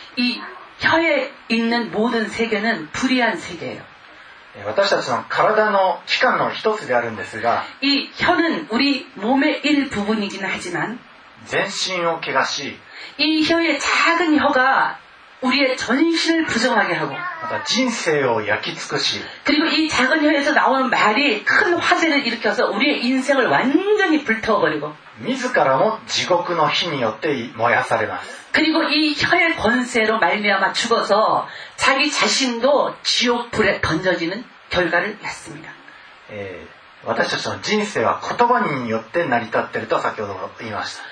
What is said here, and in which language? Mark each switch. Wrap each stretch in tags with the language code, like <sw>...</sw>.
<ko>이혀에있는모든세계는불의한세계예요</ko> <ja>私たちの体の器官の一つであるんですが</ja> <ko>이혀는우리몸의일부분이긴하지만</ko> <ja>全身を怪我し</ja> <ko>이혀의작은혀가우리의전신을부정하게하고</ko> <ja>また人生を焼き尽くし</ja> <ko>그리고이작은혀에서나오는말이큰화재를일으켜서우리의인생을완전히불태워버리고</ko> <ja>自らも地獄の火によって燃やされます</ja> <ko>그리고이혀의권세로말미암아죽어서자기자신도지옥불에던져지는결과를낳습니다</ko> <ja>私たちの人生は言葉によって成り立っていると先ほど言いました</ja>